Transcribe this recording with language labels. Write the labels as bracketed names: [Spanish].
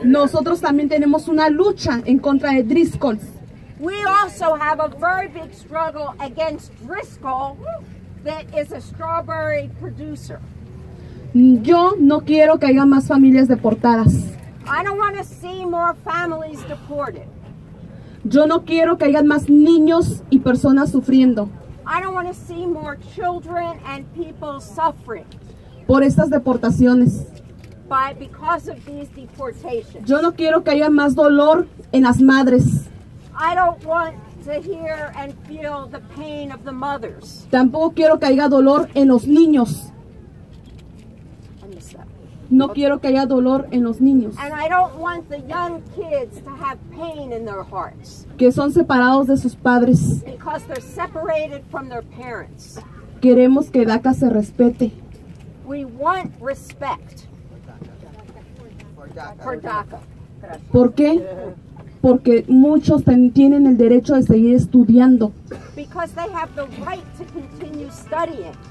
[Spanish] Nosotros también tenemos una lucha en contra de Driscoll's. [English] We also have a very big struggle against Driscoll, that is a strawberry producer. [Spanish] Yo no quiero que haya más familias deportadas. [English] I don't want to see more families deported. [Spanish] Yo no quiero que haya más niños y personas sufriendo. [English] I don't want to see more children and people suffering. [Spanish] Por estas deportaciones. [English] Because of these deportations. [Spanish] Yo no quiero que haya más dolor en las madres. [English] I don't want to hear and feel the pain of the mothers. [Spanish] Tampoco quiero que haya dolor en los niños. No quiero que haya dolor en los niños. [English] And I don't want the young kids to have pain in their hearts. [Spanish] Que son separados de sus padres. [English] Because they're separated from their parents. [Spanish] Queremos que DACA se respete. [English] We want respect. For DACA. [Spanish] ¿Por qué? Porque muchos tienen el derecho de seguir estudiando. [English] Because they have the right to continue studying.